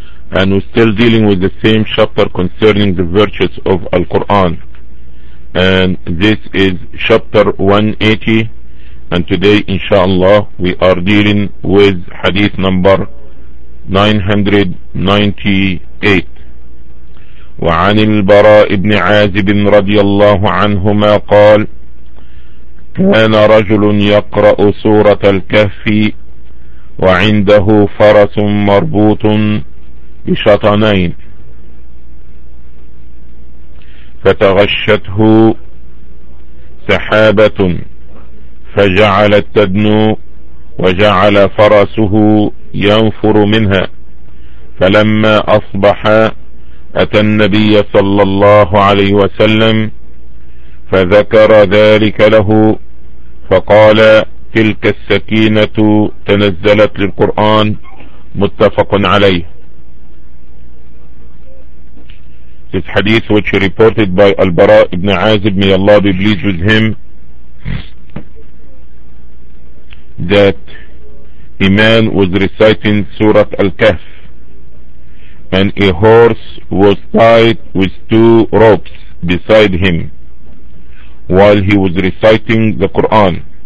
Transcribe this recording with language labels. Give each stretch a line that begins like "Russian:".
English: And we're still dealing with the same chapter concerning the virtues of Al-Quran. And this is chapter 180, and today inshallah we are dealing with hadith number 998.
Arabic: وعن البراء بن عازب رضي الله عنهما قال كان رجل يقرأ سورة الكهف وعنده فرس مربوط بشطنين فتغشته سحابة فجعلت تدنو وجعل فرسه ينفر منها فلما أصبح أتى النبي صلى الله عليه وسلم فذكر ذلك له فقال تلك السكينة تنزلت للقرآن. متفق عليه.
English: This hadith which is reported by Al-Bara ibn Azib, may Allah be pleased with him, that a man was reciting Surah Al-Kahf and a horse was tied with two ropes beside him while he was reciting the Quran.